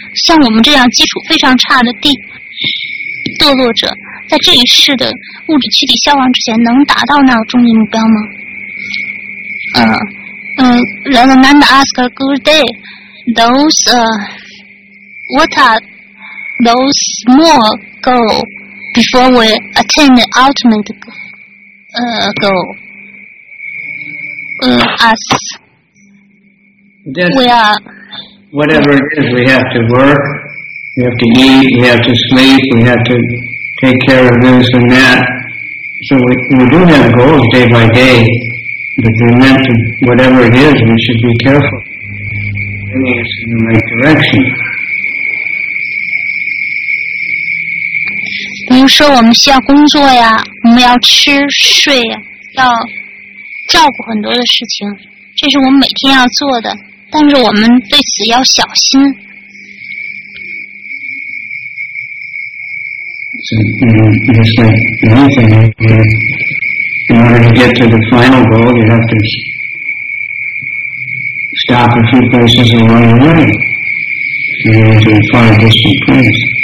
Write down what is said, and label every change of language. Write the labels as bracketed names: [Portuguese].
[Chinese] 像我们这样基础非常差的堕落者，在这一世的物质躯体消亡之前，能达到那个终极目标吗？ [English] Radha Nanda asked Gurudev, what are those small goals? Before we attain the ultimate goal, us, we are... Whatever it is, we have to work, we have to eat, we have to sleep, we have to take care of this and that. So we do have goals day by day, but they're meant to, whatever it is, we should be careful, bringing us in the right direction. [Chinese] 比如说我们需要工作呀，我们要吃睡呀，要照顾很多的事情，这是我们每天要做的，但是我们对此要小心。 [English] So, just like anything, in order to get to the final goal, you have to stop a few places along the way. You need to find a distant place.